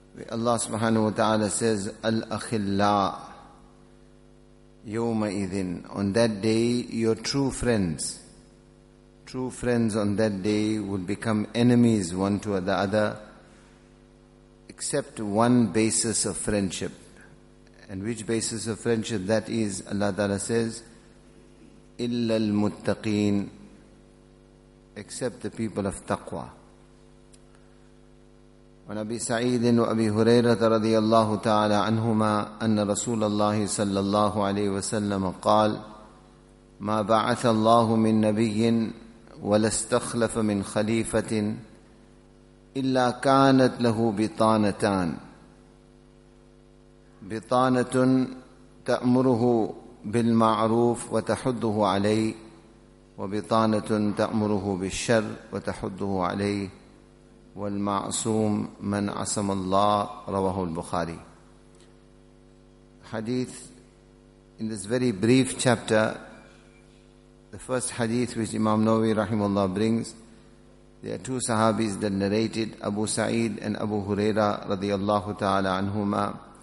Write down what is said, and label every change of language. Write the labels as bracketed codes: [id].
[en] Allah Subhanahu wa Ta'ala says, [ar] Al akhilla yawma idhin, [en] on that day your true friends on that day will become enemies one to the other, except one basis of friendship. And which basis of friendship that is, Allah Ta'ala says, [ar] إِلَّا الْمُتَّقِينَ, [en] except the people of taqwa. [ar] وَنَبِي سَعِيدٍ وَأَبِي هُرَيْرَةَ رَضِيَ اللَّهُ تَعَالَى عَنْهُمَا أَنَّ رَسُولَ اللَّهِ صَلَّى اللَّهُ عَلَيْهِ وَسَلَّمَ قَالَ مَا بَعَثَ اللَّهُ مِن نَبِيٍّ وَلَا اسْتَخْلَفَ مِن خَلِيفَةٍ إلا كانت له بطانتان، بطانة تأمره بالمعروف وتحده عليه، وبطانة تأمره بالشر وتحده عليه، والمعصوم من عصم الله. رواه البخاري. [en] Hadith, in this very brief chapter, the first hadith which Imam Nawawi rahimahullah brings, there are two sahabis that narrated, Abu Sa'id and Abu Huraira radiyallahu ta'ala anhuma.